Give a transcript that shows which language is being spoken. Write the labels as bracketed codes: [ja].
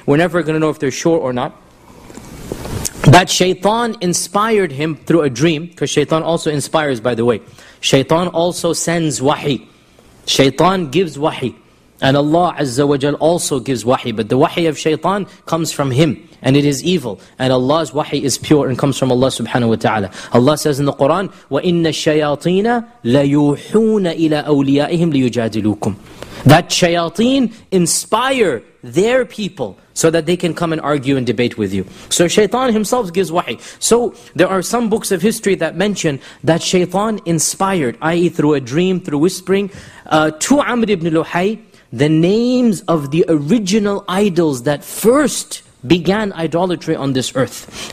[en] We're never going to know if they're sure or not. That shaitan inspired him through a dream, because shaitan also inspires, by the way. Shaitan also sends wahi. Shaitan gives wahi. And Allah Azza wa Jal also gives wahi. But the wahi of shaitan comes from him. And it is evil. And Allah's wahi is pure and comes from Allah subhanahu wa ta'ala. Allah says in the Quran, [ar] وَإِنَّ الشَّيَاطِينَ لَيُوحُونَ إِلَىٰ أَوْلِيَائِهِمْ لِيُجَادِلُوكُمْ. [en] that shayateen inspire their people so that they can come and argue and debate with you. So shaitan himself gives wahi. So there are some books of history that mention that shaitan inspired, i.e. through a dream, through whispering, to Amr ibn Luhay, the names of the original idols that first began idolatry on this earth.